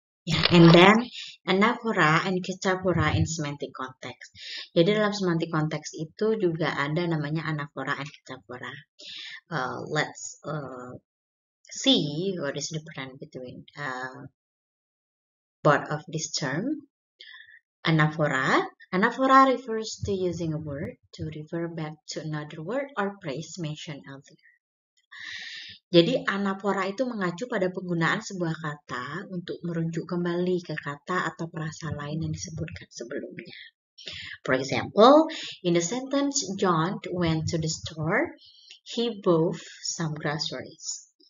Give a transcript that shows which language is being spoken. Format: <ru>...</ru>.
<en>Yeah. And then anaphora and catabora in semantic context.</en> <id>Jadi dalam semantik konteks itu juga ada namanya anaphora and catabora.</id> <en>Let's see what is different between both of this term. Anaphora refers to using a word to refer back to another word or phrase mentioned earlier.</en> <id>Jadi anaphora itu mengacu pada penggunaan sebuah kata untuk merujuk kembali ke kata atau frasa lain yang disebutkan sebelumnya.</id> <en>For example, in the sentence John went to the store, he bought some groceries.</en>